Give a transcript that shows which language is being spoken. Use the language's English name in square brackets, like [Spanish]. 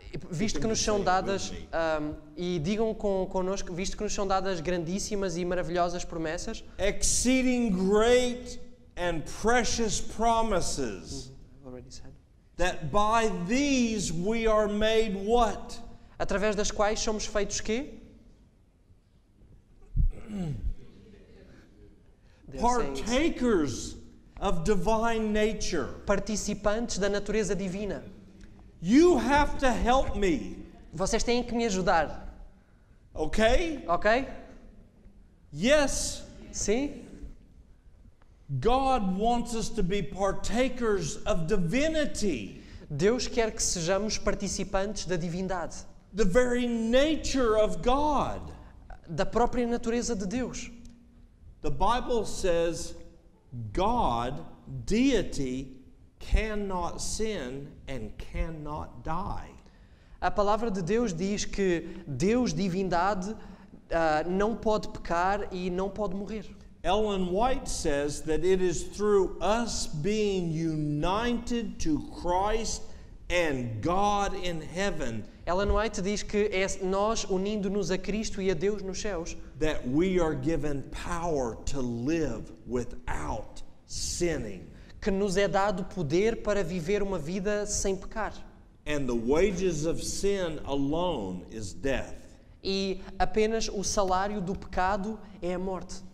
[Portuguese] visto que nos são dadas, e digam connosco, visto que nos são dadas grandíssimas e maravilhosas promessas, [English] exceeding great and precious promises, that by these we are made what? [Portuguese] Através das quais somos feitos quê? [English] Partakers of divine nature. [Portuguese] Participantes da natureza divina. [English] You have to help me. [Portuguese] Vocês têm que me ajudar. [English] Okay? Okay? Yes. [Portuguese] Sim. [English] God wants us to be partakers of divinity. [Portuguese] Deus quer que sejamos participantes da divindade. [English] The very nature of God. [Portuguese] Da própria natureza de Deus. [English] The Bible says God, deity, cannot sin and cannot die. [Portuguese] A palavra de Deus diz que Deus, divindade, não pode pecar e não pode morrer. [English] Ellen White says that it is through us being united to Christ and God in heaven. [Portuguese] Ellen White diz que é nós unindo-nos a Cristo e a Deus nos céus. [English] That we are given power to live without sinning. [Portuguese] Que nos é dado poder para viver uma vida sem pecar. [English] And the wages of sin alone is death. [Portuguese] E apenas o salário do pecado é a morte.